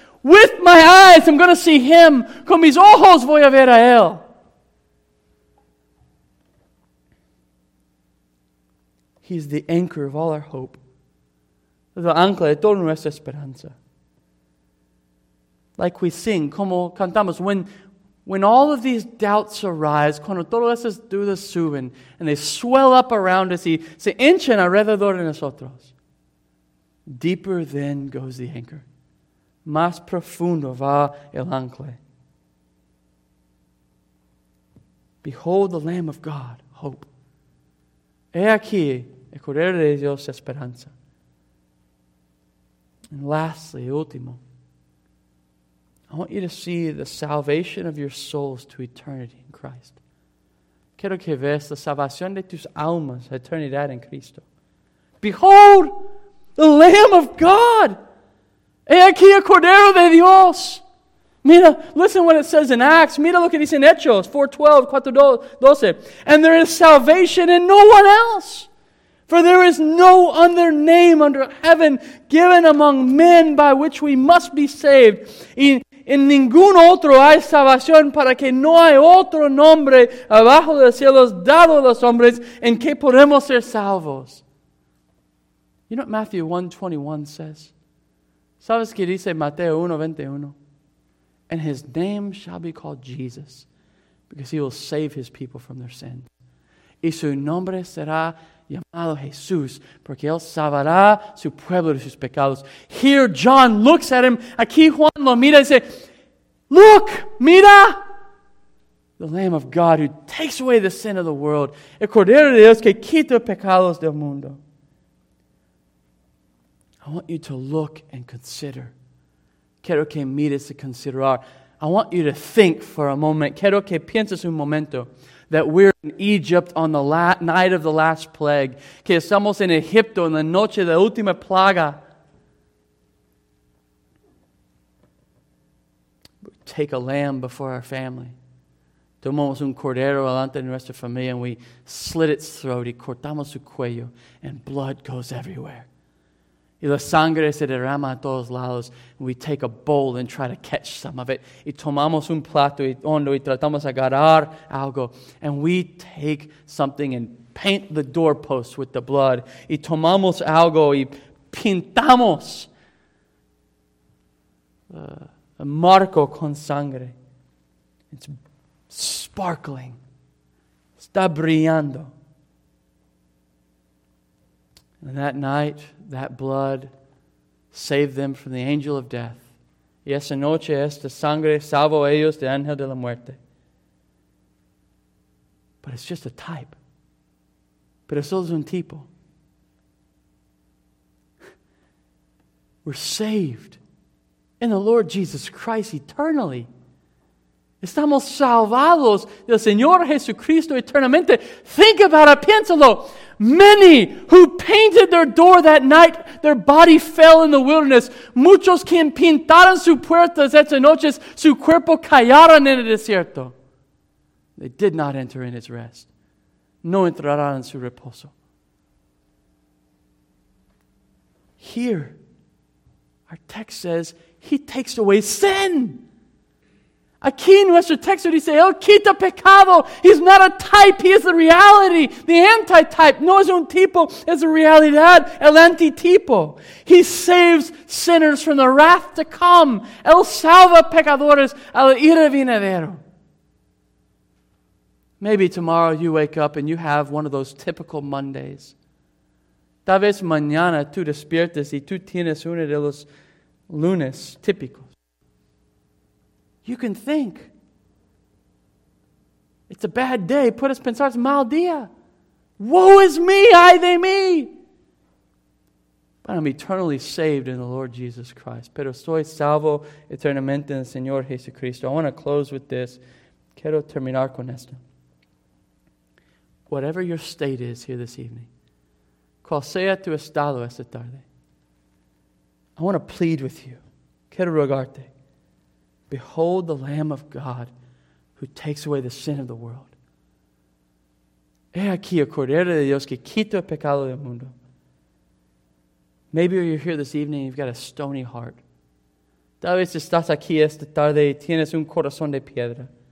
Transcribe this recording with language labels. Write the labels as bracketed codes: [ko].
[en] With my eyes, I'm going to see him. [es] Con mis ojos voy a ver a él. [en] He's the anchor of all our hope. [es] La ancla de toda nuestra esperanza. [en] Like we sing, [es] como cantamos, [en] when all of these doubts arise, [es] cuando todas esas dudas suben, [en] and they swell up around us [es] y se hinchan alrededor de nosotros, [en] deeper then goes the anchor. [es] Más profundo va el ancla. [en] Behold the Lamb of God, hope. [es] He aquí, el Cordero de Dios, esperanza. [en] And lastly, [es] último, [en] I want you to see the salvation of your souls to eternity in Christ. [es] Quiero que veas la salvación de tus almas a eternidad en Cristo. [en] Behold, the Lamb of God. [es] He aquí el Cordero de Dios. Mira, [en] listen what it says in Acts. [es] Mira lo que dice en Hechos 4:12, 4:12. [en] And there is salvation in no one else. For there is no other name under heaven given among men by which we must be saved. [es] En ningún otro hay salvación para que no hay otro nombre abajo de los cielos dado a los hombres en que podemos ser salvos. [en] You know what Matthew 1:21 says? [es] ¿Sabes qué dice Mateo 1:21? [en] And his name shall be called Jesus because he will save his people from their sin. [es] Y su nombre será llamado Jesús, porque él salvará su pueblo de sus pecados. [en] Here John looks at him. [es] Aquí Juan lo mira y dice, [en] look, [es] mira, [en] the Lamb of God who takes away the sin of the world. [es] El Cordero de Dios que quita pecados del mundo. [en] I want you to look and consider. [es] Quiero que mires y considerar. [en] I want you to think for a moment. [es] Quiero que pienses un momento. [en] That we're in Egypt on the night of the last plague. [es] Que estamos en Egipto en la noche de la última plaga. [en] We take a lamb before our family. [es] Tomamos un cordero delante de nuestra familia [en] and we slit its throat [es] y cortamos su cuello [en] and blood goes everywhere. Y la sangre se derrama a todos lados. We take a bowl and try to catch some of it. [es] Y tomamos un plato y hondo y tratamos de agarrar algo. [en] And we take something and paint the doorpost with the blood. [es] Y tomamos algo y pintamos a marco con sangre. [en] It's sparkling. [es] Está brillando. [en] And that night, that blood saved them from the angel of death. [es] Y esa noche, esta sangre salvó ellos de ángel de la muerte. [en] But it's just a type. [es] Pero solo es un tipo. [en] We're saved in the Lord Jesus Christ eternally. [es] Estamos salvados del Señor Jesucristo eternamente. [en] Think about it. [es] Piénsalo. [en] Many who painted their door that night, their body fell in the wilderness. [es] Muchos quien pintaron sus puertas esa noche, su cuerpo cayeron en el desierto. [en] They did not enter in his rest. [es] No entrarán en su reposo. [en] Here, our text says, he takes away sin. [es] Aquí en nuestro texto dice, él quita pecado. [en] He's not a type, he is the reality. The anti-type. [es] No es un tipo, es a realidad. El anti-tipo. [en] He saves sinners from the wrath to come. [es] Él salva pecadores a la ira venidera. [en] Maybe tomorrow you wake up and you have one of those typical Mondays. [es] Tal vez mañana tú despiertas y tú tienes uno de los lunes típicos. [en] You can think. It's a bad day. [es] Puedes pensar, es mal día. [en] Woe is me, [es] ay de mí. [en] But I'm eternally saved in the Lord Jesus Christ. [es] Pero estoy salvo eternamente en el Señor Jesucristo. [en] I want to close with this. [es] Quiero terminar con esto. [en] Whatever your state is here this evening, [es] cual sea tu estado esta tarde, [en] I want to plead with you. [es] Quiero rogarte. [en] Behold the Lamb of God who takes away the sin of the world. [es] He aquí el Cordero de Dios que quita el pecado del mundo. [en] Maybe you're here this evening and you've got a stony heart. [es] Tal vez estás aquí esta tarde y tienes un corazón de piedra.